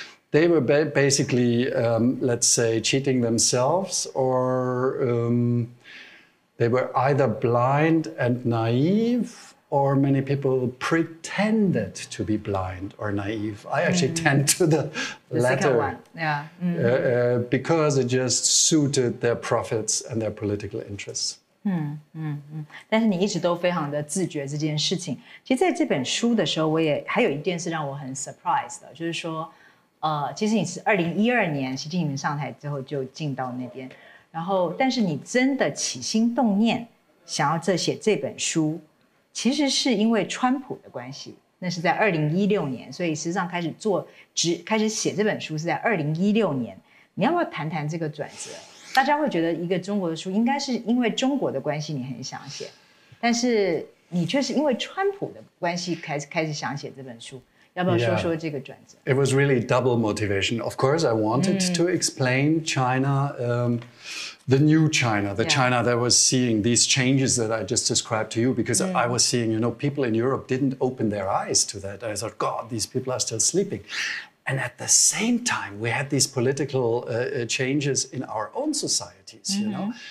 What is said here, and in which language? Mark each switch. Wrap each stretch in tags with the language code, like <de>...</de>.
<en>They were basically, let's say, cheating themselves, or they were either blind and naive, or many people pretended to be blind or naive. I actually tend to the latter. The second one, Because it just suited their profits and their political interests.</en> <zh>但是你一直都非常的自觉这件事情。其实在这本书的时候，我也还有一件事让我很 surprise 的，就是说，其实你是2012年习近平上台之后就进到那边，然后但是你真的起心动念想要写这本书，其实是因为川普的关系，那是在2016年，所以实际上开始写这本书是在2016年。你要不要谈谈这个转折？大家会觉得一个中国的书应该是因为中国的关系你很想写，但是你却是因为川普的关系开始想写这本书，要不要说说这个转折？</zh> <en>It was really double motivation. Of course, I wanted to explain China, the new China, the China that was seeing these changes that I just described to you, because I was seeing, you know, people in Europe didn't open their eyes to that. I thought, God, these people are still sleeping. And at the same time, we had these political changes in our own societies, you know.</en>